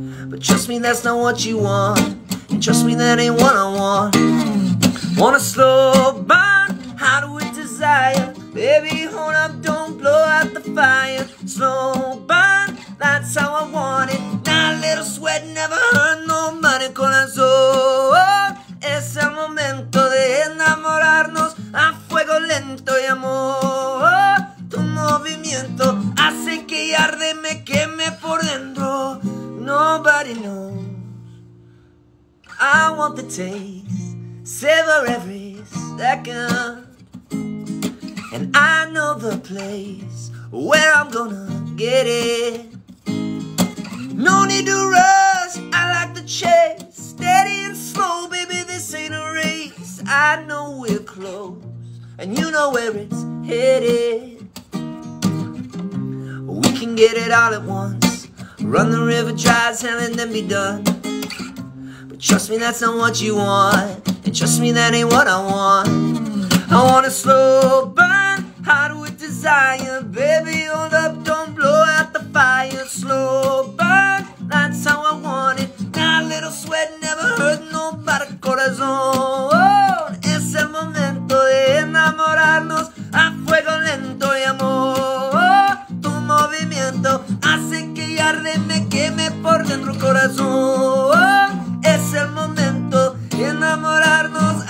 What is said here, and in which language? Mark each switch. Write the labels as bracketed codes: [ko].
[en] But trust me, that's not what you want, and trust me, that ain't what I want. Wanna slow burn, how do we desire? Baby, hold up, don't blow out the fire. Slow burn, that's how I want it. Not a little sweat, never hurt nobody. [es] Corazón, es el momento de enamorarnos. A fuego lento y amor, tu movimiento hace que arde, me queme por dentro. [en] Nobody knows. I want the taste, savor every second. And I know the place where I'm gonna get it. No need to rush, I like the chase. Steady and slow, baby, this ain't a race. I know we're close, and you know where it's headed. We can get it all at once, run the river dry as hell and then be done. But trust me, that's not what you want, and trust me, that ain't what I want. I wanna slow burn, hot with desire. Baby, hold up, don't blow out the fire. Slow burn, that's how I want it. Not a little sweat, never hurt nobody. [es] Corazón, es el momento de enamorarnos. A fuego lento y amor, tu movimiento hace que arde, me queme por dentro. Corazón, es el momento de enamorarnos.